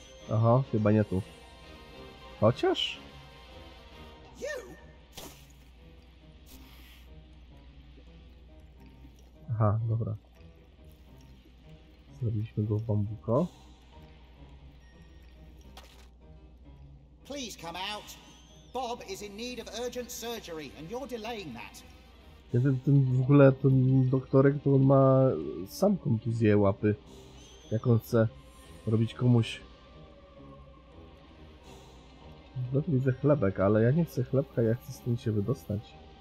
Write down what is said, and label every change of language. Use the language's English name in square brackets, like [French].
[Polish] Aha, chyba nie tu. Chociaż? Aha, dobra. Zrobiliśmy go w bambuko. [English] Please come out. Bob is in need of urgent surgery and you're delaying that. [Polish] Ja ten w ogóle ten doktorek, to on ma sam kontuzję łapy. Jak on chce robić komuś. No to widzę chlebek, ale ja nie chcę chlebka, ja chcę z tym się wydostać.